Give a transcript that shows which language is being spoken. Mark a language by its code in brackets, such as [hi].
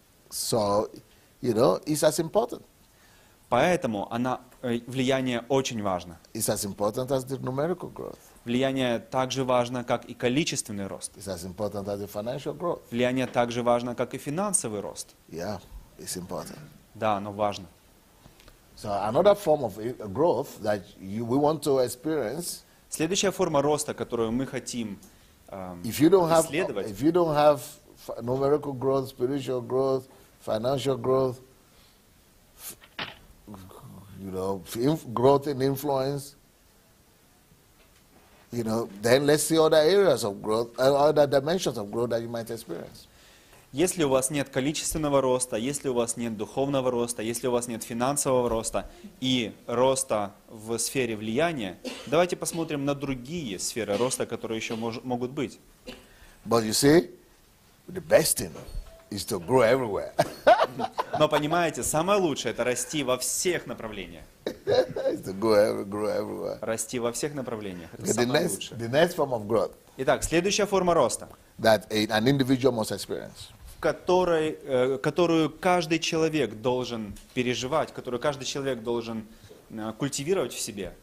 [en] So, you know, it's as important. [ru] Поэтому она, влияние очень важно. [en] It's as important as the numerical growth. [ru] Влияние так же важно, как и количественный рост. [en] It's as important as the financial growth. [ru] Влияние так же важно, как и финансовый рост. [en] Yeah, it's important. [ru] Да, оно важно. [en] So another form of growth that we want to experience. [ru] Следующая форма роста, которую мы хотим исследовать. [en] If you don't have numerical growth, spiritual growth, financial growth, you know, growth in influence, you know, then let's see other areas of growth, other dimensions of growth that you might experience. [ru] Если у вас нет количественного роста, если у вас нет духовного роста, если у вас нет финансового роста и роста в сфере влияния, давайте посмотрим на другие сферы роста, которые еще могут быть. [en] But you see, the best thing is to grow everywhere. [ru] Но понимаете, самое лучшее — это расти во всех направлениях. [en] It's to grow everywhere. [ru] Расти во всех направлениях — это самое лучшее. [en] The next form of growth. [ru] Итак, следующая форма роста. [en] That an individual must experience. [ru] Которую каждый человек должен переживать, которую каждый человек должен культивировать в себе.